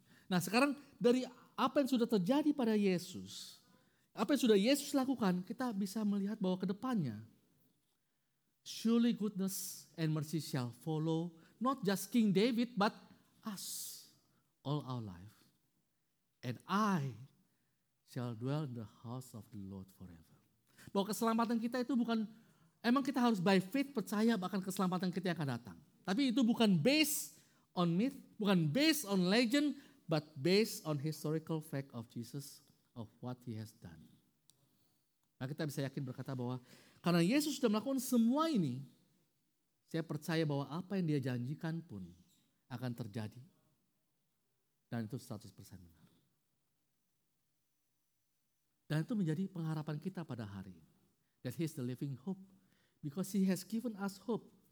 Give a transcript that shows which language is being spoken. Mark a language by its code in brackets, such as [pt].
[id] Nah sekarang, dari apa yang sudah terjadi pada Yesus, apa yang sudah Yesus lakukan, kita bisa melihat bahwa kedepannya, [en] surely goodness and mercy shall follow not just King David, but us all our life. And I shall dwell in the house of the Lord forever. [id] Bahwa keselamatan kita itu bukan, emang kita harus [en] by faith [id] percaya bahkan keselamatan kita akan datang. Tapi itu bukan [en] based on myth, bukan based on legend, but based on historical fact of Jesus, of what he has done. [id] Nah kita bisa yakin berkata bahwa karena Yesus sudah melakukan semua ini, saya percaya bahwa apa yang dia janjikan pun akan terjadi. Dan itu 100% benar. Dan itu menjadi pengharapan kita pada hari ini. [en] That he is the living hope. Because he has given us hope.